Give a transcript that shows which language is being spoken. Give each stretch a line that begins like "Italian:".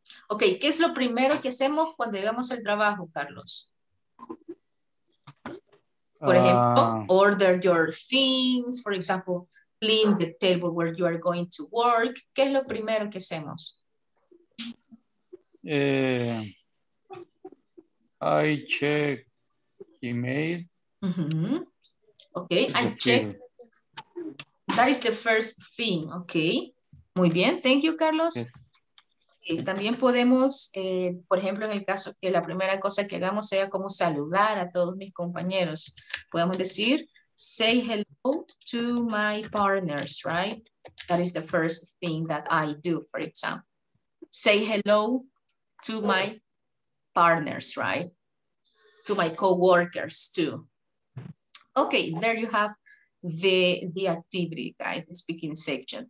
Spanish: Okay, ¿qué es lo primero que hacemos cuando llegamos al trabajo, Carlos? Por ejemplo,
English: order your things, for example, clean the table where you are going to work.
Spanish: ¿Qué es lo primero que hacemos?
English: I check email. Mm-hmm. Okay, I check. That is the first thing, okay.
Spanish: Muy bien,
English: thank you, Carlos. Yes.
Spanish: También podemos, por ejemplo, en el caso que la primera cosa que hagamos sea como saludar a todos mis compañeros. Podemos decir,
English: say hello to my partners, right? That is the first thing that I do, for example. Say hello to my partners, right? To my co-workers too. Okay, there you have the activity guide, the speaking section.